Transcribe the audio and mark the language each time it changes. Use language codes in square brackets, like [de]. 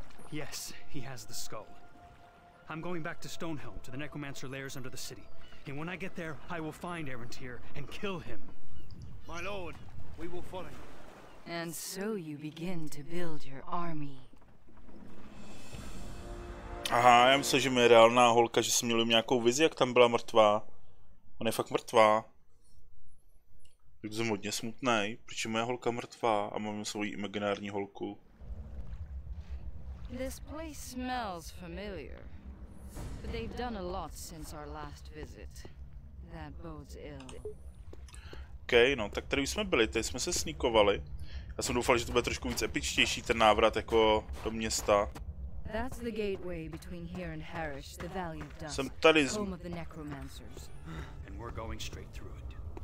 [en] Yes, he has the skull. I'm going back to Stonehelm, to the necromancer lairs under the city. And when I get there, I will find Arantir and kill him. My lord, we will follow you. And so you begin to build your army. [cs] Aha, já myslím, že mi je reálná holka, že jsem měl nějakou vizi, jak tam byla mrtvá. Ona je fakt mrtvá. Tak jsem hodně smutný, proč je moje holka mrtvá a mám svoji imaginární holku. [en] This place smells familiar. But they've done a lot since our last visit. That bodes ill. [cs] Okay, no, tak tady už jsme byli, tady jsme se sníkovali. Já jsem doufal, že to bude trošku víc epičtější, ten návrat jako do města. [en] That's the gateway between here and Harish, the Valley of Dust. [cs] Jsem tady z... [en] Home of the necromancers. And we're going straight through it.